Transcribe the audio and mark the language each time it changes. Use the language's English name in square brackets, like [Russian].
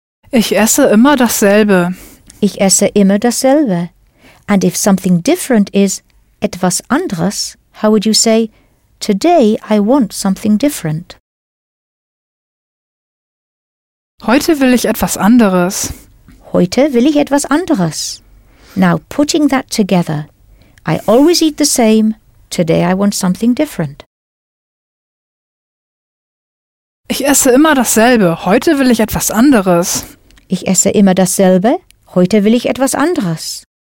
[German] Ich esse immer dasselbe. Ich esse immer dasselbe. [English] And if something different is [German] etwas anderes, [English] how would you say, today I want something different? [German] Heute will ich etwas anderes. Heute will ich etwas anderes. [English] Now, putting that together, I always eat the same, today I want something different. [German] Ich esse immer dasselbe, heute will ich etwas anderes. Ich esse immer dasselbe, heute will ich etwas anderes.